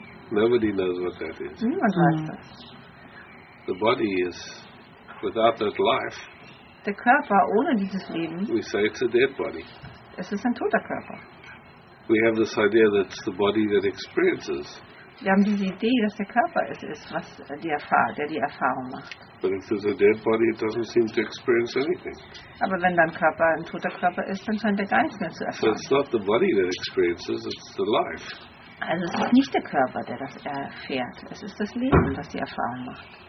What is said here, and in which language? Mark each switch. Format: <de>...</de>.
<en>Nobody knows what that is.</en> <de>Niemand weiß das.</de> <en>The body is without that life.</en> <de>Der Körper ohne dieses Leben.</de> <en>We say it's a dead body.</en> <de>Es ist ein toter Körper.</de> <en>We have this idea that it's the body that experiences.</en> <de>Wir haben diese Idee, dass der Körper es ist, was der die Erfahrung macht.</de> <en>But if it's a dead body, it doesn't seem to experience anything.</en> <de>Aber wenn dein Körper ein toter Körper ist, dann scheint er gar nichts mehr zu erfahren.</de> <en>So it's not the body that experiences, it's the life.</en> <de>Also es ist nicht der Körper, der das erfährt. Es ist das Leben, das die Erfahrung macht.</de>